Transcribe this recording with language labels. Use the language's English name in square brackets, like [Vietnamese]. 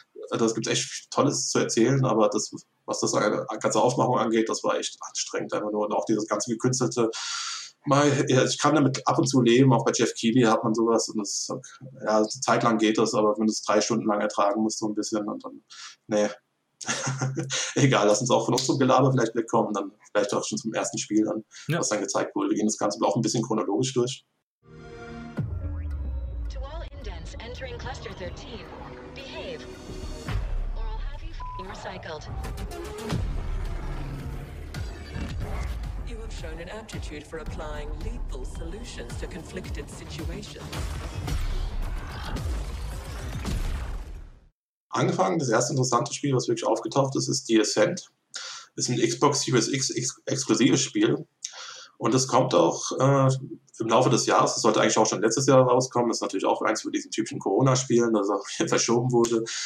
[German] Das gibt es echt Tolles zu erzählen, aber das, was das eine ganze Aufmachung angeht, das war echt anstrengend einfach nur. Und auch dieses ganze gekünstelte, ich kann damit ab und zu leben, auch bei Jeff Keighley hat man sowas und das, ja, eine Zeit lang geht das, aber wenn du es 3 Stunden lang ertragen musst, so ein bisschen, und dann, nee. Egal, lass uns auch von uns zum Gelaber vielleicht wegkommen, dann vielleicht auch schon zum ersten Spiel dann, ja, was dann gezeigt wurde. Wir gehen das Ganze auch ein bisschen chronologisch durch. [English] To all indents entering Cluster 13, behave, or I'll have you f***ing recycled. You have shown an aptitude for applying lethal solutions to conflicted situations. [German] Angefangen, das erste interessante Spiel, was wirklich aufgetaucht ist, ist The Ascent. Ist ein Xbox Series X exklusives Spiel. Und es kommt auch im Laufe des Jahres, es sollte eigentlich auch schon letztes Jahr rauskommen, das ist natürlich auch eins von diesen typischen Corona-Spielen, das auch hier verschoben wurde.